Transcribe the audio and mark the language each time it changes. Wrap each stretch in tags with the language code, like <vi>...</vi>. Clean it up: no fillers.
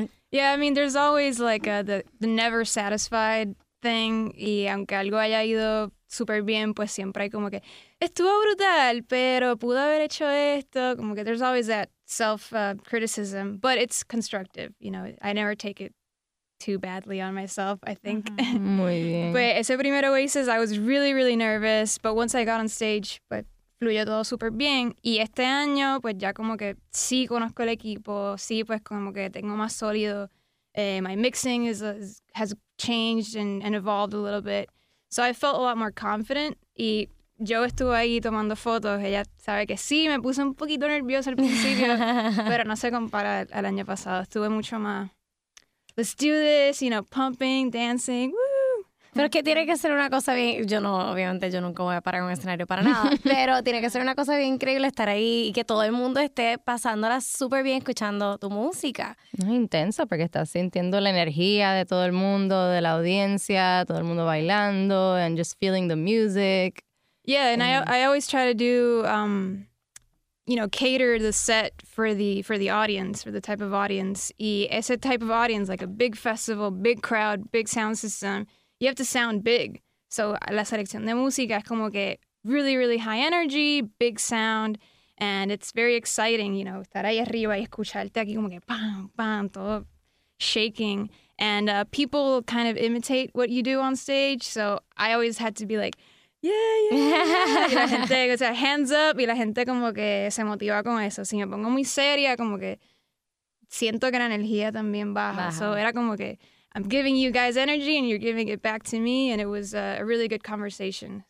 <en>Yeah, I mean, there's always like the never satisfied thing.</en> <es>Y aunque algo haya ido súper bien, pues siempre hay como que estuvo brutal, pero pudo haber hecho esto. Como que</es> <en>there's always that self-criticism, but it's constructive. You know, I never take it too badly on myself, I think.</en> <es>Muy bien.</es> <en>But</en> <es>ese primer</es> <en>Oasis, I was really, really nervous. But once I got on stage,</en> <es>pues fluyó todo súper bien. Y este año, pues ya como que sí conozco el equipo. Sí, pues como que tengo más sólido.</es> <en>My mixing has changed and evolved a little bit. So I felt a lot more confident.</en> <es>Y yo estuve ahí tomando fotos. Ella sabe que sí, me puse un poquito nerviosa al principio. Pero no se compara al año pasado. Estuve mucho más...</es> <en>Let's do this, you know, pumping, dancing, woo.</en> <es>Pero es que tiene que ser una cosa bien, yo no, obviamente yo nunca voy a parar un escenario para nada, pero tiene que ser una cosa bien increíble estar ahí y que todo el mundo esté pasándola súper bien escuchando tu música. Es intenso porque estás sintiendo la energía de todo el mundo, de la audiencia, todo el mundo bailando</es> <en>and just feeling the music. Yeah, and I always try to do, you know, cater the set for the audience, for the type of audience.</en> <es>Y ese</es> <en>type of audience, like a big festival, big crowd, big sound system, you have to sound big.</en> <es>So la selección de música es como que</es> <en>really, really high energy, big sound, and it's very exciting, you know,</en> <es>estar ahí arriba y escucharte aquí como que pam, pam, todo shaking.</es> <en>And people kind of imitate what you do on stage, so I always had to be like, yeah, yeah, yeah.</en> <es>Y la gente, o sea,</es> <en>hands up,</en> <es>y la gente como que se motiva con eso. Si me pongo muy seria, como que siento que la energía también baja.</es> <en>So</en> <es>era como que,</es> <en>I'm giving you guys energy and you're giving it back to me, and it was a really good conversation.</en>